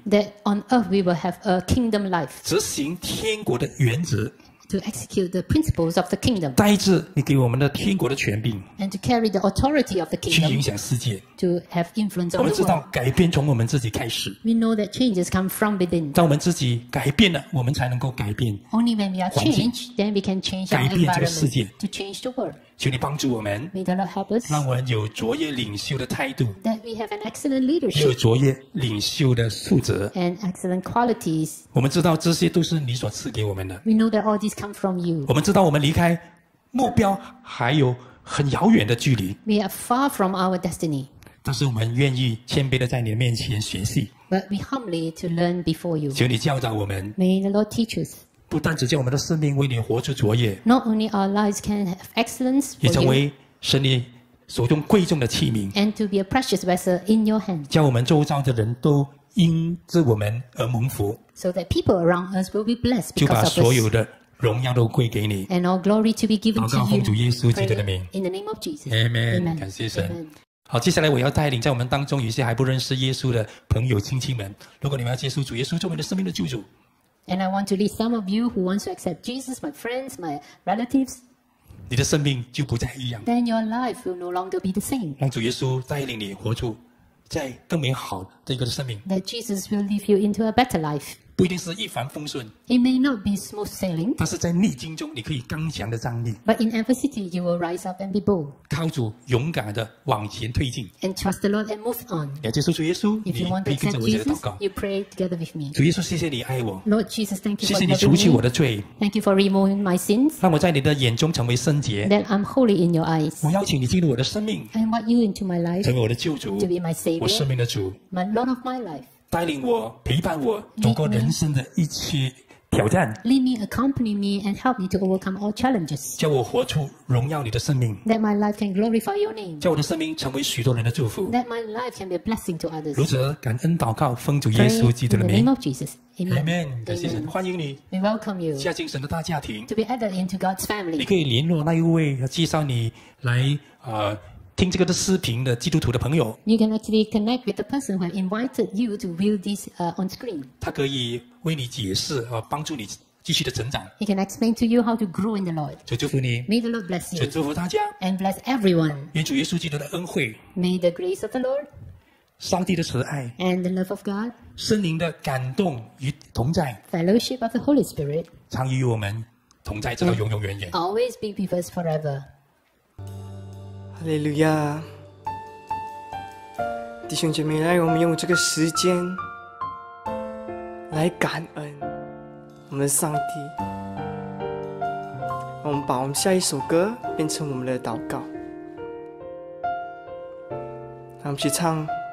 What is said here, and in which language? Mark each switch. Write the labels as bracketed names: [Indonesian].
[English] That on earth we will have a kingdom life. [Chinese] 执行天国的原则。 [English] To execute the principles of the kingdom. [Chinese] 带着你给我们的天国的权柄。 [English] And to carry the authority of the kingdom. [Chinese] 去影响世界。 [English] To have influence on the world. [Chinese] 我们知道改变从我们自己开始。 [English] We know that changes come from within. [Chinese] 当我们自己改变了，我们才能够改变。 [English] Only when we are changed, then we can change our environment. [Chinese] 改变这个世界。 [English] To change the world. [Chinese] 求你帮助我们 [English] May the Lord help us, [Chinese] 让我们有卓越领袖的态度 [English] that we have an excellent leadership, [Chinese] 有卓越领袖的素质 [English] and excellent qualities. [Chinese] 我们知道这些都是你所赐给我们的 [English] we know that all these come from you. [Chinese] 我们知道我们离开目标还有很遥远的距离 [English] we are far from our destiny. [Chinese] 但是我们愿意谦卑地在你的面前学习 [English] but we humbly to learn before you. [Chinese] 求你教导我们 [English] May the Lord teach us. [Chinese] 不但只叫我们的生命为你活出卓越 [English] Not only our lives can have excellence for you [Chinese] 也成为神你手中贵重的器皿 [English] And to be a precious vessel in your hand [Chinese] 叫我们周遭的人都因着我们而蒙福 [English] So that people around us will be blessed because of us [Chinese] 就把所有的荣耀都归给你 [English] And all glory to be given to you [Chinese] 祷告奉主耶稣基督的名 [English] In the name of Jesus [Chinese] Amen, Amen. 感谢神 Amen. 好接下来我要带领在我们当中有些还不认识耶稣的朋友亲戚们如果你们要接受主耶稣作为你的生命的救主 [English] And I want to lead some of you who want to accept Jesus, my friends, my relatives. [Chinese] 你的生命就不再一样。 [English] Then your life will no longer be the same. [Chinese] 让主耶稣带领你活出在更美好的一个生命。 [English] That Jesus will lead you into a better life. [Chinese] 不一定是一帆风顺。 [English] It may not be smooth sailing. [Chinese] 但是在逆境中，你可以刚强的站立。 [English] But in adversity, you will rise up and be bold. [Chinese] 靠主勇敢的往前推进。 [English] And trust the Lord and move on. [Chinese] 要接受主耶稣， [English] If you want to accept [Chinese] 你可以跟着我的祷告。 [English] You pray together with me. [Chinese] 主耶稣，谢谢你爱我。 [English] Lord Jesus, thank you for loving me. [Chinese] 谢谢你除去我的罪。 [English] Thank you for removing my sins. [Chinese] 让我在你的眼中成为圣洁。 [English] That I'm holy in your eyes. [Chinese] 我邀请你进入我的生命。 [English] I invite you into my life. [Chinese] 成为我的救主。 [English] To be my savior. [Chinese] 我生命的主。 [English] My Lord of my life. [Chinese] 带领我，陪伴我，走过人生的一切挑战。 [English] Lead me, accompany me, and help me to overcome all challenges. [Chinese] 叫我活出荣耀你的生命。 [English] That my life can glorify your name. [Chinese] 叫我的生命成为许多人的祝福。 [English] That my life can be a blessing to others. [Chinese] 如此感恩祷告，奉主耶稣基督的名。 [English] In the name of Jesus. Amen. [Chinese] Amen. 感谢神，欢迎你。 [English] We welcome you. [Chinese] 加进神的大家庭。 [English] To be added into God's family. [Chinese] 你可以联络那一位介绍你来听这个的视频的基督徒的朋友 [English] You can actually connect with the person who invited you to view this on screen [Chinese] 他可以为你解释帮助你继续的成长 [English] He can explain to you how to grow in the Lord [Chinese] 主祝福你 [English] May the Lord bless you [Chinese] 主祝福大家 [English] And bless everyone [Chinese] 愿主耶稣基督的恩惠 [English] May the grace of the Lord [Chinese] 上帝的慈爱 [English] And the love of God [Chinese] 圣灵的感动与同在 [English] Fellowship of the Holy Spirit [Chinese] 常与我们同在直到永永远远 [English] Always be with us forever [Chinese] 哈利路亚弟兄姐妹来我们用这个时间来感恩我们的上帝我们把我们下一首歌变成我们的祷告让我们去唱